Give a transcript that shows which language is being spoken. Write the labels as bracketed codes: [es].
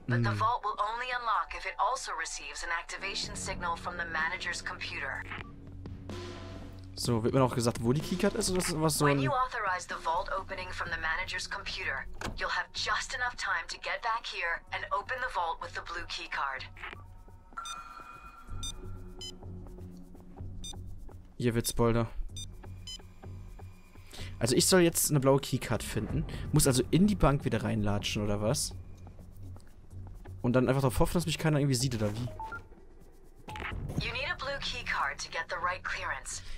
[en] But the vault will only unlock if it also receives an activation signal from the manager's computer. [de] So, wird mir auch gesagt, wo die Keycard ist, oder was so ein... [en] When you authorize the vault opening from the manager's computer, you'll have just enough time to get back here and open the vault with the blue keycard. [de] Ihr Witzbolder. Also ich soll jetzt eine blaue Keycard finden, muss also in die Bank wieder reinlatschen, oder was? Und dann einfach darauf hoffen, dass mich keiner irgendwie sieht, oder wie? [en] You need a blue keycard to get the right clearance.